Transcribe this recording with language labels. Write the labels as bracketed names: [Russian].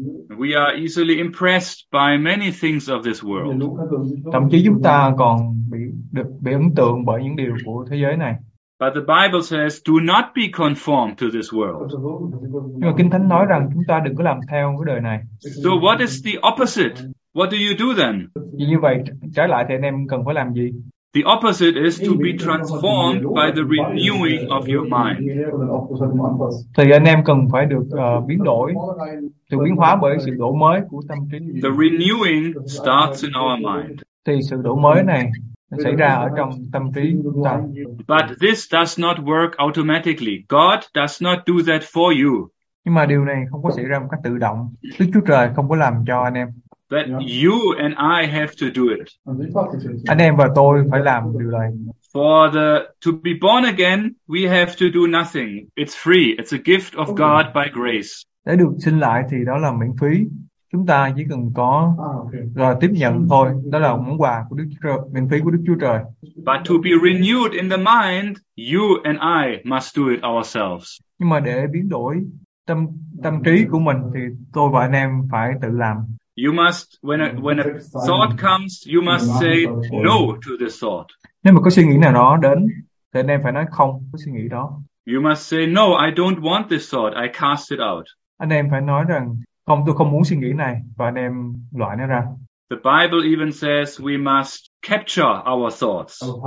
[English] We are easily impressed by many things of this world. [Vietnamese] Thậm chí chúng ta còn bị ấn tượng bởi những điều của thế giới này. [English] But the Bible says, do not be conformed to this world. [Vietnamese] Nhưng mà Kinh Thánh nói rằng chúng ta đừng có làm theo cái đời này. [English] So what is the opposite? What do you do then? [Vietnamese] Vì như vậy, trái lại thì anh em cần phải làm gì? [English] The opposite is to be transformed by the renewing of your mind. [Vietnamese] Thì anh em cần phải được biến đổi, được biến hóa bởi sự đổi mới của tâm trí. [English] The renewing starts in our mind. [Vietnamese] Thì sự đổi mới này xảy ra ở trong tâm trí ta. [English] But this does not work automatically. God does not do that for you. [Vietnamese] Nhưng mà điều này không có xảy ra một cách tự động. Đức Chúa Trời không có làm cho anh em. [English] But you and I have to do it. [Vietnamese] Anh em và tôi phải làm điều này. [English] To be born again, we have to do nothing. It's free. It's a gift of God by grace. [Vietnamese] Để được sinh lại thì đó là miễn phí. Chúng ta chỉ cần có rồi tiếp nhận thôi. Đó là món quà của Đức Chúa Trời, miễn phí của Đức Chúa Trời. [English] But to be renewed in the mind, you and I must do it ourselves. [Vietnamese] Nhưng mà để biến đổi tâm trí của mình thì tôi và anh em phải tự làm. [English] You must, when a thought comes, you must say no to this thought. [Vietnamese] Nếu mà có suy nghĩ nào đó đến, thì anh em phải nói không với suy nghĩ đó. [English] You must say no, I don't want this thought, I cast it out. [Vietnamese] Anh em phải nói rằng, không, tôi không muốn suy nghĩ này, và anh em loại nó ra. [English] The Bible even says we must capture our thoughts.